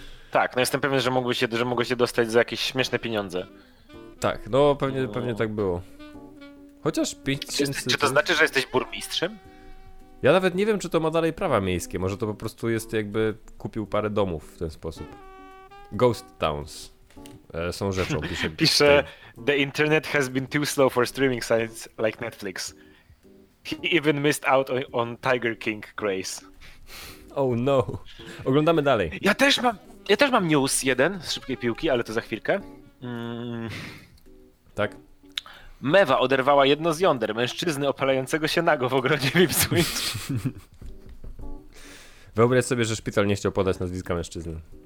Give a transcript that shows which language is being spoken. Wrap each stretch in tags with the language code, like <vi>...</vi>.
<pl>Tak, no jestem pewien, że mogłeś się dostać za jakieś śmieszne pieniądze. Tak, no pewnie tak było. Chociaż 5000... Czy to znaczy, że jesteś burmistrzem? Ja nawet nie wiem, czy to ma dalej prawa miejskie. Może to po prostu jest jakby kupił parę domów w ten sposób. Ghost towns są rzeczą. Pisze,</pl> <en>the internet has been too slow for streaming sites like Netflix. He even missed out on Tiger King Grace. Oh no.</en> <pl>Oglądamy dalej. Ja też mam news jeden z szybkiej piłki, ale to za chwilkę. Tak? Mewa oderwała jedno z jąder mężczyzny opalającego się nago w ogrodzie Ipswich. Wyobraź sobie, że szpital nie chciał podać nazwiska mężczyzny.</pl>